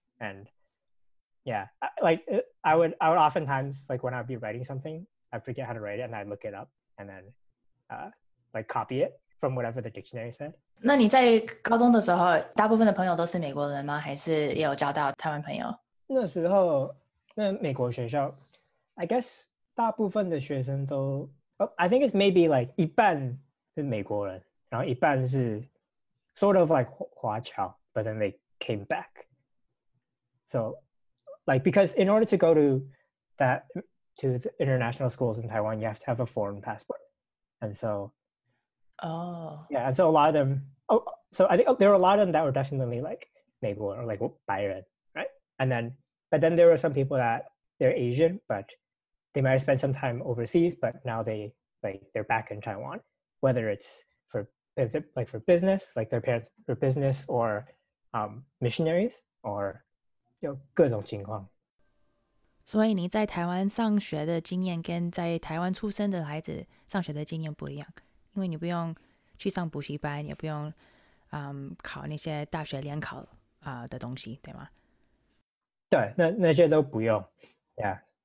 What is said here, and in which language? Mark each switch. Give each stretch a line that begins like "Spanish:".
English: And yeah, I would oftentimes, like when I'd be writing something, I'd forget how to write it and I'd look it up and then like copy it from whatever the dictionary said.
Chinese: 那你在高中的时候, 大部分的朋友都是美国人吗? 还是也有交到台湾朋友? 那时候, 那美国学校,
English: I guess
Chinese: 大部分的学生都,
English: I think it's maybe like
Chinese: 一半是美国人, 然后一半是
English: sort of like 华侨, but then they came back. So like, because in order to go to that, to the international schools in Taiwan, you have to have a foreign passport. And so, oh yeah, and so a lot of them, there were a lot of them that were definitely like 美国 or like 白人, right? And then, but then there were some people that they're Asian, but they might have spent some time overseas, but now they like they're back in Taiwan, whether it's for like for business, like their parents for business, or missionaries, or you know,
Chinese: 各种情况. 所以你在台湾上学的经验跟在台湾出生的孩子上学的经验不一样, 因为你不用去上补习班, 也不用, 考那些大学联考, 的东西, 对吗? 对, 那, 那些都不用, yeah.